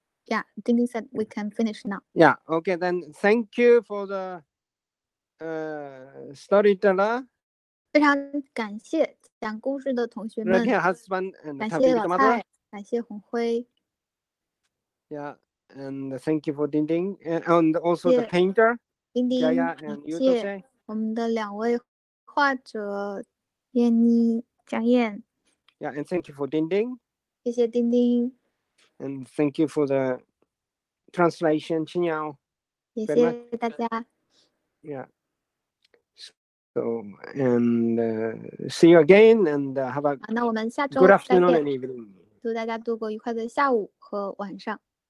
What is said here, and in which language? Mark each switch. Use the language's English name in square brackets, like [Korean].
[English] Yeah, Ding Ding said we can finish now. Yeah, okay, then thank you for the storyteller. [Chinese] 非常感谢讲故事的同学们。 [English] Raquel husband and [Chinese] 感谢老蔡，感谢红辉。 [English] Yeah, and thank you for Ding Ding, and also the painter. Ding Ding, [Chinese] 感谢我们的两位画者燕妮、江燕。 [English] Yeah, and thank you for Ding Ding. [Chinese] 谢谢Ding Ding. [English] And thank you for the translation, Qin Yao. [Chinese] 谢谢大家。 [English] Yeah. So, and see you again, and have a good afternoon and evening. [Chinese] 祝大家度过愉快的下午和晚上。